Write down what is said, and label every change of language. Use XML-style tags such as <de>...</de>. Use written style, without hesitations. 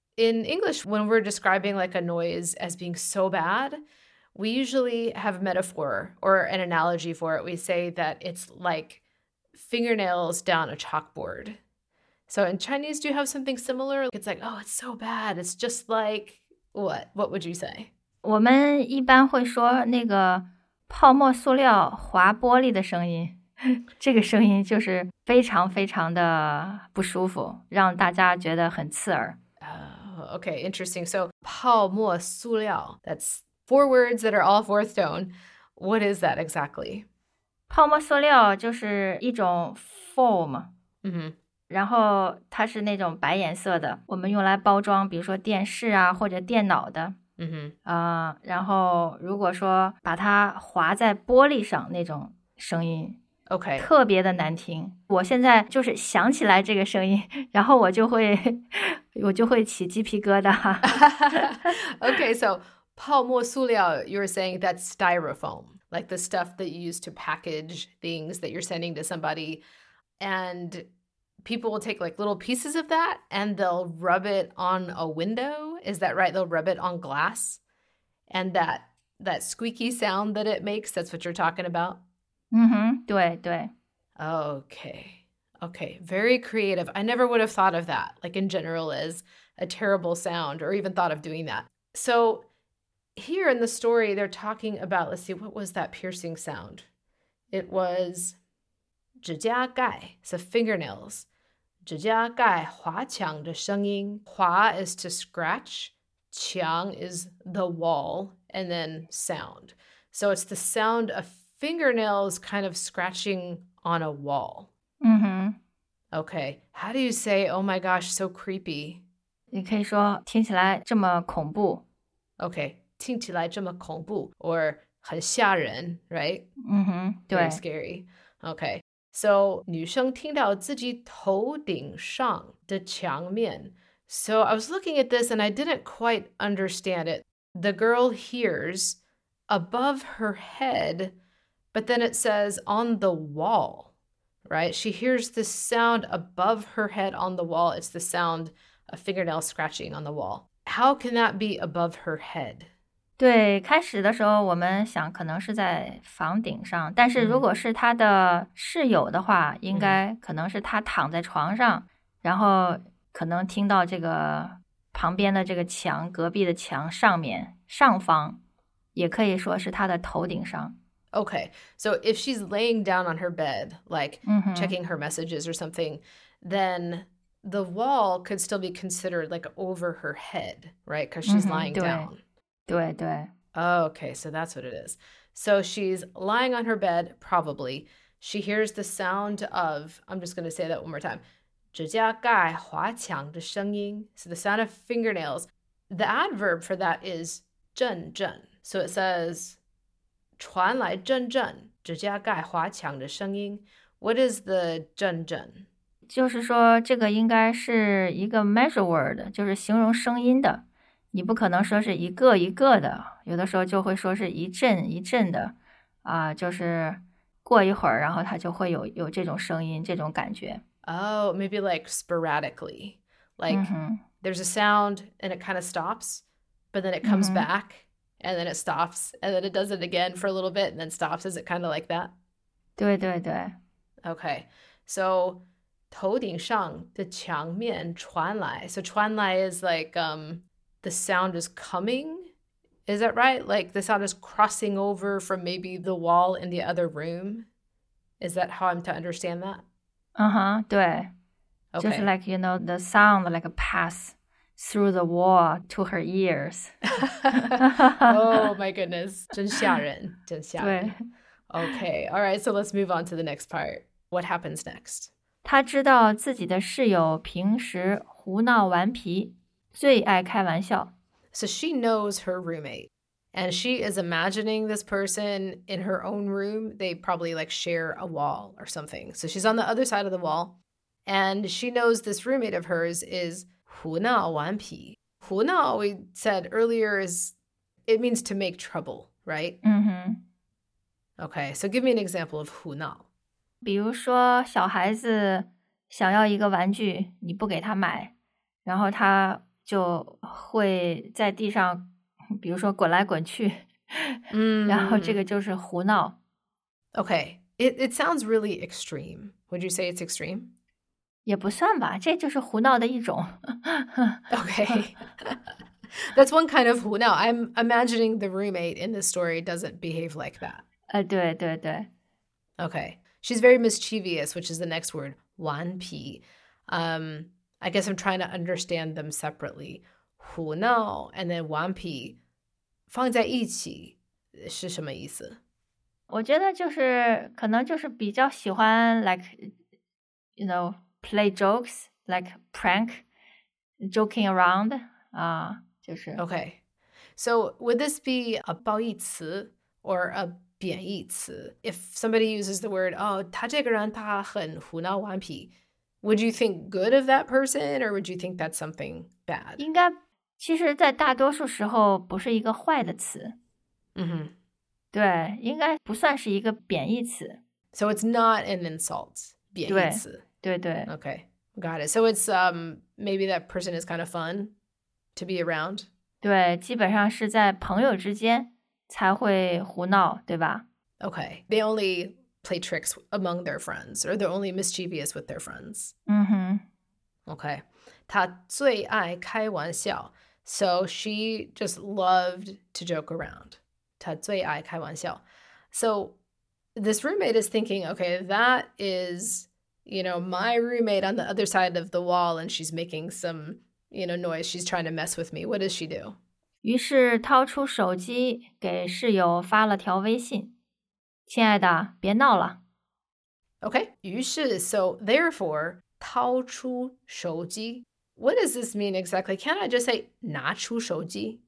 <en>In English, when we're describing like a noise as being so bad, we usually have a metaphor or an analogy for it. We say that it's likefingernails down a chalkboard. So in Chinese, do you have something similar? It's like, oh, it's so bad. It's just like, what? What would you say?</en> <zh>我们一般会说那个泡沫塑料滑玻璃的声音，这个声音就是非常非常的不舒服，让大家觉得很刺耳。</zh> <en>Okay, interesting. So 泡沫塑料, that's four words that are all fourth tone. What is that exactly?</en> <zh>泡沫塑料就是一种 foam,、 mm-hmm. 然后它是那种白颜色的，我们用来包装比如说电视啊或者电脑的、 mm-hmm. 然后如果说把它划在玻璃上那种声音</zh> <en>OK</en> <zh>特别的难听，我现在就是想起来这个声音，然后我就会起鸡皮疙瘩。</zh> <en>OK, so 泡沫塑料 you're saying that's styrofoam. Like the stuff that you use to package things that you're sending to somebody. And people will take like little pieces of that and they'll rub it on a window. Is that right? They'll rub it on glass. And that squeaky sound that it makes, that's what you're talking about?</en> <zh>Mm-hmm. 对对。</zh> <en>Okay. Okay. Very creative. I never would have thought of that, like in general, as a terrible sound or even thought of doing that. So... Here in the story, they're talking about, let's see, what was that piercing sound? It was 指甲盖, so fingernails.</en> <zh>指甲盖滑墙的声音。</zh> <en>滑 is to scratch, 墙 is the wall, and then sound. So it's the sound of fingernails kind of scratching on a wall. Mm-hmm. Okay, how do you say, oh my gosh, so creepy?</en> <zh>你可以说听起来这么恐怖。 Okay, 听起来这么恐怖 or 很吓人, right? 嗯哼，对。</zh> <en>Very scary. Okay, so</en> <zh>女生听到自己头顶上的墙面。</zh> <en>So I was looking at this and I didn't quite understand it. The girl hears above her head, but then it says on the wall. Right? She hears this sound above her head on the wall. It's the sound of fingernails scratching on the wall. How can that be above her head?</en> <zh>对，开始的时候我们想可能是在房顶上，但是如果是他的室友的话，应该可能是他躺在床上，然后可能听到这个旁边的这个墙，隔壁的墙上面，上方，也可以说是他的头顶上。</zh> <en>Okay, so if she's laying down on her bed, like checking her messages or something, then the wall could still be considered like over her head, right? Because she's lying down.</en> <zh>对对。</zh> <en>Okay, so that's what it is. So she's lying on her bed, probably. She hears the sound of, I'm just going to say that one more time,</en> <zh>指甲盖划墙的声音,</zh> <en>so the sound of fingernails. The adverb for that is 阵阵.So it says...</en> <zh>传来阵阵指甲盖划墙的声音。</zh> <en>What is the 阵阵？</en> <zh>就是说这个应该是一个</zh> <en>measure word，</en> <zh>就是形容声音的。你不可能说是一个一个的，有的时候就会说是一阵一阵的，啊，就是过一会儿，然后它就会有这种声音，这种感觉。</zh> <en>Oh, maybe like sporadically. Like, there's a sound and it kind of stops, but then it comes back. And then it stops, and then it does it again for a little bit, and then stops. Is it kind of like that?</en> <zh>对对对。</zh> <en>Okay.</en> <zh>So, 头顶上的墙面传来。</zh> <en>So, 传来 is like, the sound is coming. Is that right? Like, the sound is crossing over from maybe the wall in the other room. Is that how I'm to understand that?</en> <zh>Uh-huh, 对。</zh> <en>Okay. Just like, you know, the sound, like a pass. Through the wall to her ears. Oh my goodness.</en> <zh>真吓人真吓人。</zh> <en>Okay, all right, so let's move on to the next part. What happens next?</en> <zh>她知道自己的室友平时胡闹顽皮最爱开玩笑。</zh> <en>So she knows her roommate and she is imagining this person in her own room. They probably like share a wall or something. So she's on the other side of the wall and she knows this roommate of hers is... 胡闹顽皮。胡闹, we said earlier, is, it means to make trouble, right? Mm-hmm. Okay, so give me an example of 胡闹。</en> <zh>比如说小孩子想要一个玩具,你不给他买,然后他就会在地上,比如说滚来滚去,然后这个就是胡闹。</zh> <en>Okay, it sounds really extreme. Would you say it's extreme?</en> <zh>也不算吧，这就是胡闹的一种。</zh> <en>Okay. That's one kind of 胡闹. I'm imagining the roommate in the story doesn't behave like that. 对对对。 Okay. She's very mischievous, which is the next word, 顽皮. I guess I'm trying to understand them separately.</en> <zh>胡闹 and then 顽皮放在一起是什么意思？我觉得就是可能就是比较喜欢</zh> <en>like, you know,Play jokes, like prank, joking around,</en> <zh>就是。</zh> <en>Okay. So would this be a 褒义词 or a 贬义词? If somebody uses the word, oh,</en> <zh>他这个人他很胡闹顽皮,</zh> <en>would you think good of that person or would you think that's something bad?</en> <zh>应该其实在大多数时候不是一个坏的词。 Mm-hmm. 对,应该不算是一个贬义词。</zh> <en>So it's not an insult, 贬义词。</en> <zh>对对。</zh> <en>Okay, got it. So it's maybe that person is kind of fun to be around.</en> <zh>对，基本上是在朋友之间才会胡闹，对吧？</zh> <en>Okay, they only play tricks among their friends, or they're only mischievous with their friends. 嗯哼。 Okay,</en> <zh>她最爱开玩笑。</zh> <en>So she just loved to joke around.</en> <zh>她最爱开玩笑。</zh> <en>So this roommate is thinking, okay, that is... You know, my roommate on the other side of the wall and she's making some, you know, noise. She's trying to mess with me. What does she do?</en> <zh>于是掏出手机给室友发了条微信。亲爱的,别闹了。</zh> <en>Okay, 于是, so therefore, 掏出手机。 What does this mean exactly? Can't I just say 拿出手机?</en>